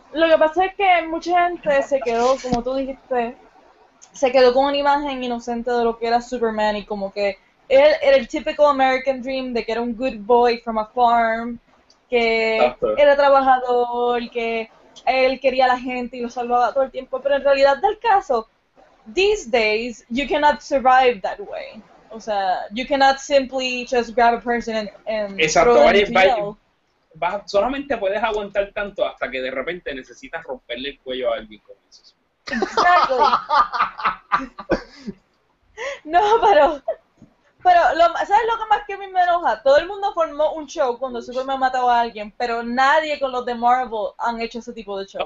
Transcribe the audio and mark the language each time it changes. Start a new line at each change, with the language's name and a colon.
Spanish: Lo que pasa es que mucha gente se quedó, como tú dijiste, se quedó con una imagen inocente de lo que era Superman, y como que él era el típico American Dream, de que era un
English: good boy from a farm,
Spanish: que era trabajador, que él quería a la gente y lo salvaba todo el tiempo. Pero en realidad del caso,
English: these days, you cannot survive that way.
Spanish: O sea,
English: you cannot simply just grab a person and throw them to jail.
Spanish: Solamente puedes aguantar tanto hasta que de repente necesitas romperle el cuello a alguien con eso.
English: Exactly.
Spanish: No, pero... Pero, ¿sabes lo que más que a mí me enoja? Todo el mundo formó un show cuando Superman mataba a alguien, pero nadie con los de Marvel han hecho ese tipo de show.